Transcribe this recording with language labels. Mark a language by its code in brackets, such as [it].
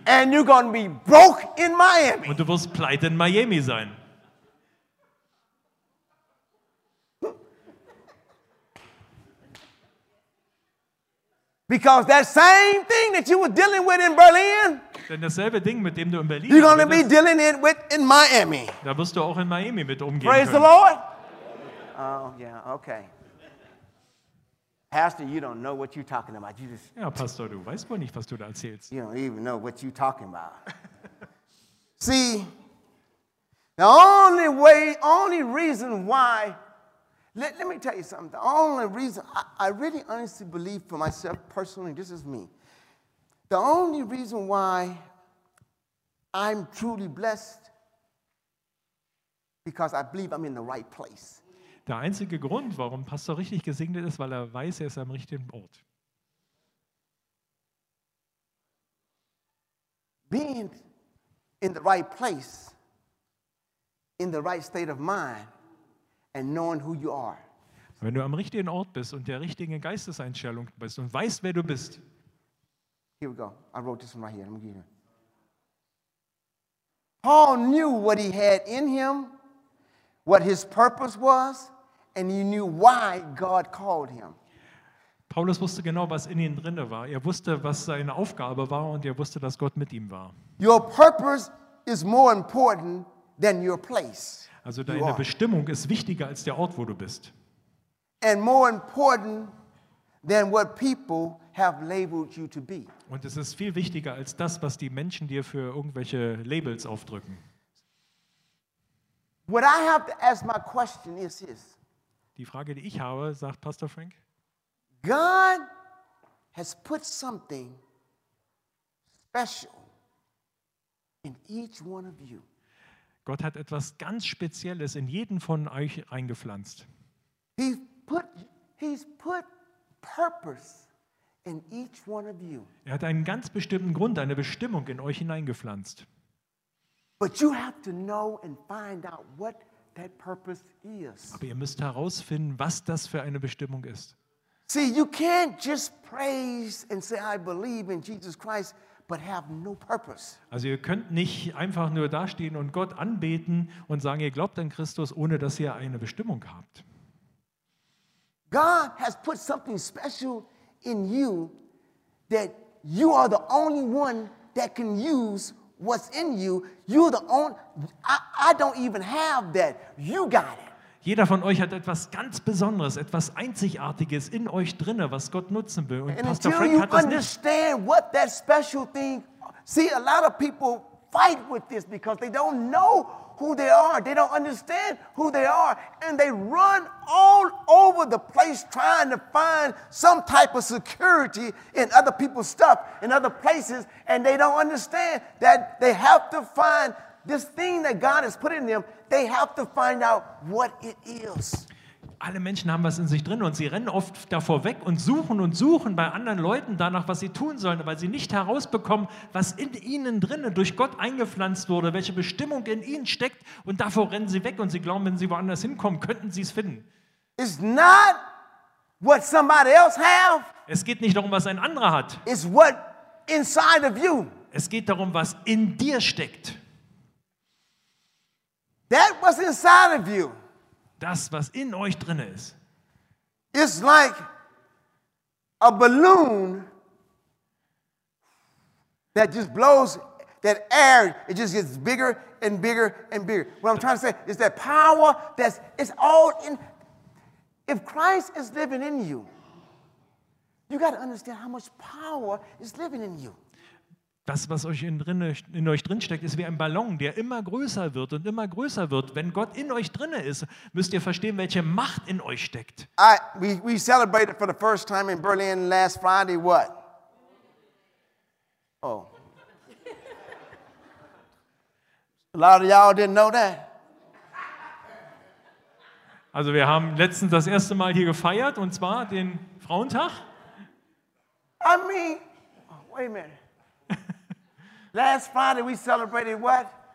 [en] And you're gonna be broke in Miami. [de] Und du wirst pleite in Miami sein. [en] Because that same thing that you were dealing with in Berlin. [de] Denn dasselbe Ding, mit dem du in Berlin. [en] You're gonna be dealing it with in Miami. [de] Da wirst du auch in Miami mit umgehen [en] Praise [de] können. [en] Praise the Lord. Oh yeah, okay. Pastor, you don't know what you're talking about. You just [de] ja, Pastor, du weißt wohl nicht, was du da erzählst. [en] You don't even know what you're talking about. See, the only way, only reason why, let me tell you something. The only reason, I really honestly believe for myself personally, this is me. The only reason why I'm truly blessed, because I believe I'm in the right place. [de] Der einzige Grund, warum Pastor richtig gesegnet ist, weil er weiß, er ist am richtigen Ort. [en] Being in the right place, in the right state of mind, and knowing who you are. [de] Wenn du am richtigen Ort bist und der richtigen Geisteseinstellung bist und weißt, wer du bist. [en] Here we go. I wrote this one right here. Let me give you. Paul knew what he had in him, what his purpose was. And he knew why God called him. [de] Paulus wusste genau, was in ihm drin war. Er wusste, was seine Aufgabe war und er wusste, dass Gott mit ihm war. [en] Your purpose is more important than your place. [de] Also deine Bestimmung ist wichtiger als der Ort, wo du bist. [en] And more important than what people have labeled you to be. [de] Und es ist viel wichtiger als das, was die Menschen dir für irgendwelche Labels aufdrücken. [en] What I have to ask my question is this. [de] Die Frage, die ich habe, sagt Pastor Frank. [en] God has put something special in each one of you. [de] Gott hat etwas ganz Spezielles in jeden von euch eingepflanzt. [en] He's put purpose in each one of you. [de] Er hat einen ganz bestimmten Grund, eine Bestimmung in euch hineingepflanzt. [en] But you have to know and find out what that purpose is. [de] Aber ihr müsst herausfinden, was das für eine Bestimmung ist. [en] See, you can't just praise and say, I believe in Jesus Christ, but have no purpose. [de] Also ihr könnt nicht einfach nur dastehen und Gott anbeten und sagen, ihr glaubt an Christus, ohne dass ihr eine Bestimmung habt. [en] God has put something special in you that you are the only one that can use what's in you. You're the only, I don't even have that. You got it. [de] Jeder von euch hat etwas ganz Besonderes, etwas Einzigartiges in euch drinne, was Gott nutzen will. Und Pastor Frank hat das nicht. [en] Understand what that special thing. See, a lot of people fight with this because they don't know who they are. They don't understand who they are, and they run all over the place trying to find some type of security in other people's stuff, in other places, and they don't understand that they have to find this thing that God has put in them. They have to find out what it is. [de] Alle Menschen haben was in sich drin und sie rennen oft davor weg und suchen bei anderen Leuten danach, was sie tun sollen, weil sie nicht herausbekommen, was in ihnen drinnen durch Gott eingepflanzt wurde, welche Bestimmung in ihnen steckt, und davor rennen sie weg und sie glauben, wenn sie woanders hinkommen, könnten sie es finden. [en] It's not what somebody else have. [de] Es geht nicht darum, was ein anderer hat. [en] It's what inside of you. [de] Es geht darum, was in dir steckt. [en] That was inside of you. [de] Das, was in euch drin ist. [en] It's like a balloon that just blows that air. It just gets bigger and bigger and bigger. What I'm trying to say is that power that's, it's all in. If Christ is living in you, you got to understand how much power is living in you. [de] Das, was euch in euch drinsteckt, ist wie ein Ballon, der immer größer wird und immer größer wird. Wenn Gott in euch drin ist, müsst ihr verstehen, welche Macht in euch steckt. [en] We celebrated for the first time in Berlin last Friday, what? Oh. A lot of y'all didn't know that. [de] Also wir haben letztens das erste Mal hier gefeiert, und zwar den Frauentag. [en] I mean, oh, wait a minute. Last Friday we celebrated what?